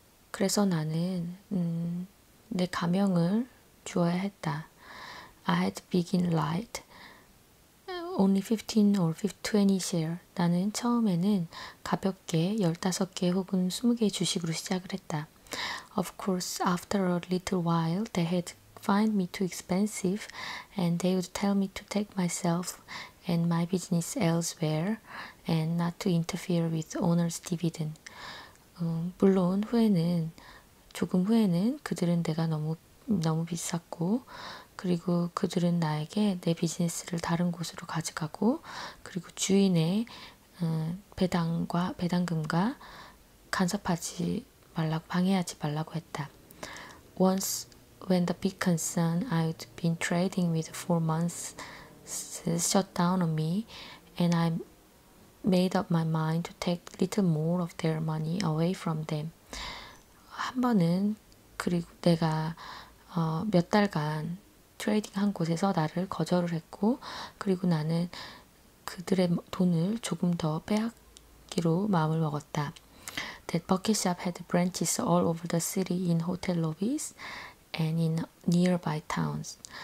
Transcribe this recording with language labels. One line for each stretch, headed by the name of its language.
Korean: 그래서 나는 내 가명을 주어야 했다.
English: I had begin light. Only 15 or 20 share.
Korean: 나는 처음에는 가볍게 15개 혹은 20개 주식으로 시작을 했다.
English: Of course, after a little while, they had find me too expensive and they would tell me to take myself and my business elsewhere and not to interfere with owner's dividend.
Korean: 물론 후에는 조금 후에는 그들은 내가 너무 비쌌고 그리고 그들은 나에게 내 비즈니스를 다른 곳으로 가져가고 그리고 주인의 배당금과 간섭하지 말라고 방해하지 말라고 했다.
English: Once when the big concern I'd been trading with for months shut down on me and I made up my mind to take little more of their money away from them.
Korean: 한 번은 그리고 내가 몇 달간 트레이딩한 곳에서 나를 거절을 했고 그리고 나는 그들의 돈을 조금 더 빼앗기로 마음을 먹었다.
English: That bucket shop had branches all over the city in hotel lobbies and in nearby towns.